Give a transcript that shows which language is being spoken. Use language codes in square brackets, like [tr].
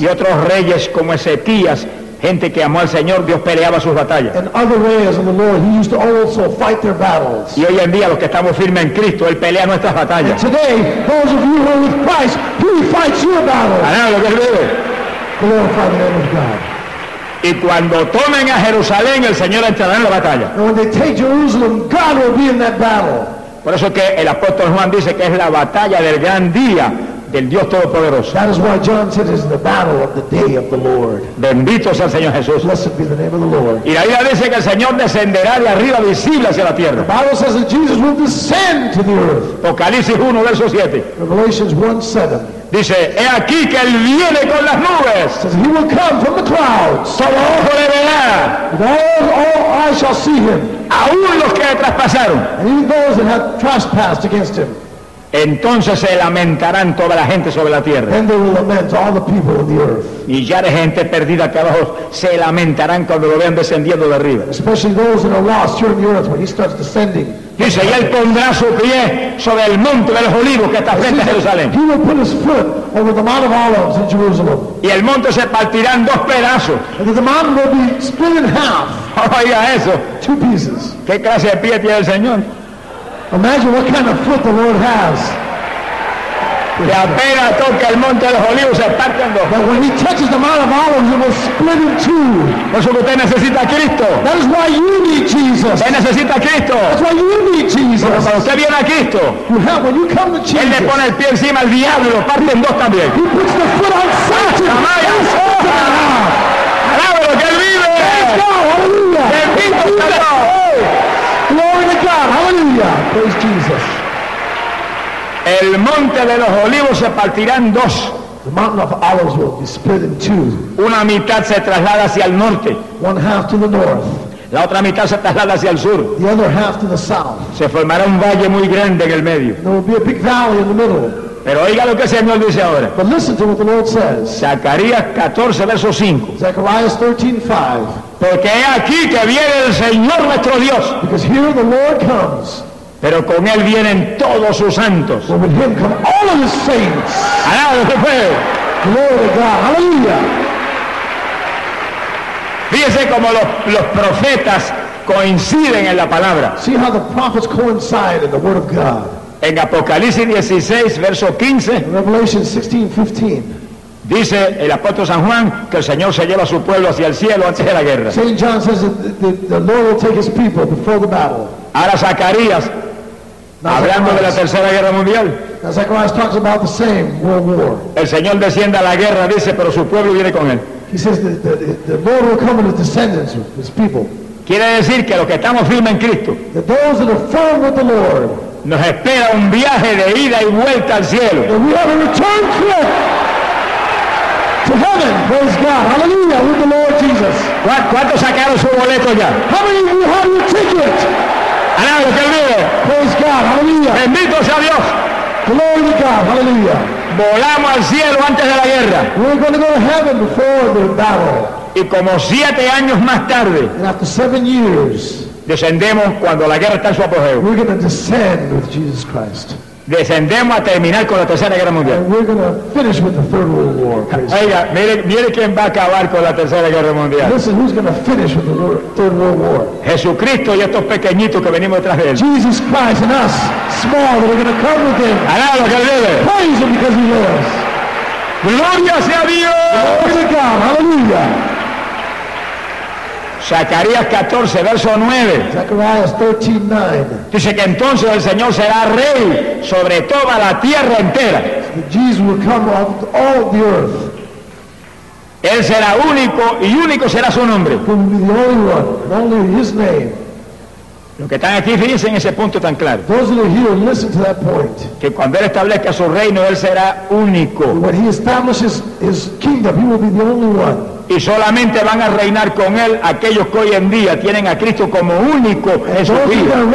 [es] Y otros reyes como Ezequías, gente que amó al Señor, Dios peleaba sus batallas. [en] And other [es] reyes [en] of the Lord, he used to also fight their battles. [es] Y hoy en día los que estamos firmes en Cristo, él pelea nuestras batallas. [en] And today, those of you who are with Christ, he fights your battles. [es] Alabado que vive. [en] Glorify the name of God. [es] Y cuando tomen a Jerusalén, el Señor entrará en la batalla. [en] And when they take Jerusalem, God will be in that battle. [es] Por eso que el apóstol Juan dice que es la batalla del gran día del Dios Todopoderoso. [en] That is why John said it is the battle of the day of the Lord. [es] Bendito sea el Señor Jesús. [en] Blessed be the name of the Lord. [es] Y la Biblia dice que el Señor descenderá de arriba visible hacia la tierra. [en] The Bible says that Jesus will descend to the earth. [es] Apocalipsis 1, verso 7. [en] Revelations 1, 7. [es] Dice, he aquí que él viene con las nubes. [en] Says he will come from the clouds. [es] Todo ojo le verá. [en] All eyes shall see him. [es] Aún los que traspasaron. [en] And even those that have trespassed against him. [es] Entonces se lamentarán toda la gente sobre la tierra. [en] Then they will lament all the people on the earth. [es] Y ya de gente perdida acá abajo se lamentarán cuando lo vean descendiendo de arriba. [en] Especially those that are lost here on the earth when he starts descending. [es] Dice, y él pondrá su pie sobre el monte de los olivos que está frente a Jerusalén. [en] He will put his foot over the Mount of Olives in Jerusalem. [es] Y el monte se partirá en dos pedazos. [en] And the mountain will be split in half. [es] Oiga eso. [en] Two pieces. [es] ¿Qué clase de pie tiene el Señor? [en] Imagine what kind of foot the Lord has. [es] Que apenas toque el monte de los olivos se parte en dos. [en] But when he touches the Mount of Olives, it will split in two. [es] Por eso que usted necesita a Cristo. [en] That is why you need Jesus. [es] Usted necesita a Cristo. [en] That's why you need Jesus. [es] Pero cuando usted viene a Cristo, [en] when you come to Jesus, [es] él le pone el pie encima al diablo y lo parte en dos también. [en] He puts the foot on Satan. [es] ¡Amaya! ¡Alábalo que él vive! [en] Glory to God. Hallelujah. Praise Jesus. [es] El monte de los olivos se partirá en dos. [en] The mountain of olives will be split in two. [es] Una mitad se traslada hacia el norte. [en] One half to the north. [es] La otra mitad se traslada hacia el sur. [en] The other half to the south. [es] Se formará un valle muy grande en el medio. [en] There will be a big valley in the middle. [es] Pero oiga lo que el Señor dice ahora. [en] But listen to what the Lord says. [es] Zacarías 14, verso 5. [en] Zechariah 13, 5. [es] Porque es aquí que viene el Señor nuestro Dios. [en] Because here the Lord comes. [es] Pero con él vienen todos sus santos. [en] But with him come all of his saints. [es] Alabado que fue. [en] Glory to God. Hallelujah. [es] Fíjese como los profetas coinciden en la palabra. [en] See how the prophets coincide in the word of God. [es] En Apocalipsis 16, verso 15. [en] In Revelation 16, 15. [es] Dice el apóstol San Juan que el Señor se lleva a su pueblo hacia el cielo antes de la guerra. [en] Saint John says that the Lord will take his people before the battle. [es] Ahora Zacarías, hablando de la tercera guerra mundial. [en] Now Zacharias talks about the same world war. [es] El Señor desciende a la guerra, dice, pero su pueblo viene con él. [en] He says the Lord will come with his descendants, his people. [es] Quiere decir que los que estamos firmes en Cristo, [en] that those that are firm with the Lord, [es] nos espera un viaje de ida y vuelta al cielo. [en] That we have a return trip. To heaven, praise God, hallelujah, with the Lord Jesus. [es] ¿Cuántos sacaron su boleto ya? [en] How many of you have your ticket? [es] Alabado que vive. [en] Praise God, hallelujah. [es] Bendito sea Dios. [en] Glory to God, hallelujah. [es] Volamos al cielo antes de la guerra. [en] We're going to go to heaven before the battle. [es] Y como 7 años más tarde, [en] and after 7 years, [es] descendemos cuando la guerra está en su apogeo. [en] We're going to descend with Jesus Christ. [es] Descendemos a terminar con la tercera guerra mundial. [en] And we're going to finish with the third world war. [es] Oiga, mire quién va a acabar con la tercera guerra mundial. [en] Listen, who's going to finish with the third world war? [es] Jesucristo y estos pequeñitos que venimos detrás de él. [en] Jesus Christ and us, small, that are going to come with him. [es] Alábalo que vive. [en] Praise him because he lives. [es] Gloria sea Dios. [en] Glory to God. Hallelujah. [es] Zacarías 14, verso 9. [en] Zacarías 13, 9. [es] Dice que entonces el Señor será rey sobre toda la tierra entera. [en] So Jesus will come of all the earth. [es] Él será único y único será su nombre. [en] He will be the only one, and only his name. [es] Los que están aquí fíjense en ese punto tan claro. [en] Those that are here, listen to that point. [es] Que cuando él establezca su reino, él será único. [en] When he establishes his kingdom, he will be the only one. [es] Y solamente van a reinar con él aquellos que hoy en día tienen a Cristo como único en su vida.